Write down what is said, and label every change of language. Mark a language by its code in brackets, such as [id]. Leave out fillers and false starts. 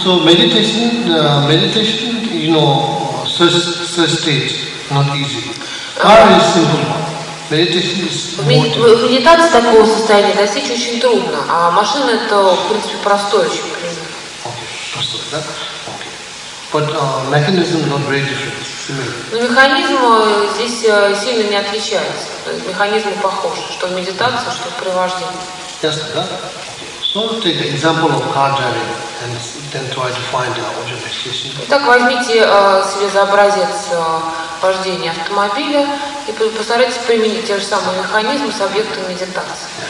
[en] So meditation, you know, sustained, not easy. Car is simple. [ru] Медитация такого состояния достичь очень трудно, а машина это, в принципе, простой очень пример. Простой, да? [en] But mechanism not very different, similar. [ru] Но механизм здесь сильно не отличается. Механизм похож, что в медитации, что в привождении. Ясно, да? [en] So take an example of car driving and then try to find the object meditation. [ru] Итак, возьмите себе за образец вождения автомобиля. И постарайтесь применить те же самые механизмы с объектом медитации.